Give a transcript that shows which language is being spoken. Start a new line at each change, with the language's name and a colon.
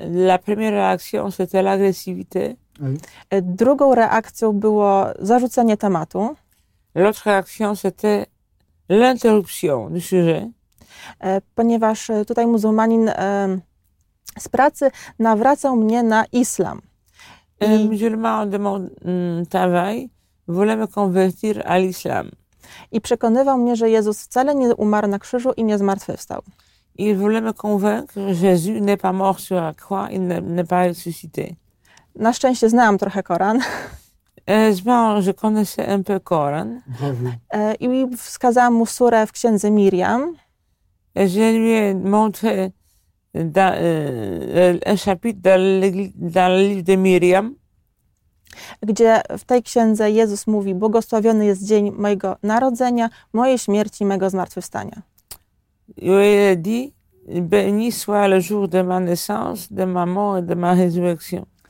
French: La première réaction c'était l'agressivité.
Polish: Drugą reakcją było zarzucenie tematu.
French: L'autre réaction c'était l'interruption du sujet.
Polish: Ponieważ tutaj muzułmanin z pracy nawracał mnie na islam.
French: Musulman de mon travail voulait me convertir à l'islam.
Polish: I przekonywał mnie, że Jezus wcale nie umarł na krzyżu i nie zmartwychwstał.
French: Il voulait me convaincre que Jésus n'est pas mort sur la croix et n'est pas ressuscité.
Polish: Na szczęście znałam trochę Koran.
French: Je connaissais un peu Koran.
Polish: I wskazałam mu surę w księdze Miriam.
French: Je lui ai montré un chapitre dans le livre de Miriam,
Polish: gdzie w tej księdze Jezus mówi: błogosławiony jest dzień mojego narodzenia, mojej śmierci i mojego zmartwychwstania.
French: Il a dit: béni soit le jour de ma naissance, de ma mort et de ma résurrection.